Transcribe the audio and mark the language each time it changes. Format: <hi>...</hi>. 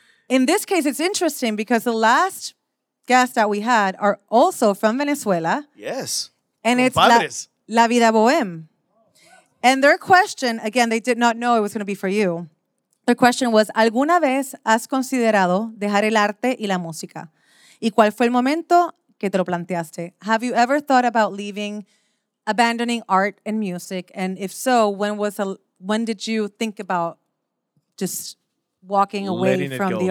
<en>It's interesting because the last guest that we had are also from Venezuela. Yes. And it's La Vida Bohème. And their question, again, they did not know it was going to be for you. The question was,</en> <es>¿alguna vez has considerado dejar el arte y la música? ¿Y cuál fue el momento que te lo planteaste?</es> <en>Have you ever thought about leaving, abandoning art and music? And if so, when did you think about just walking away from the arts?</en>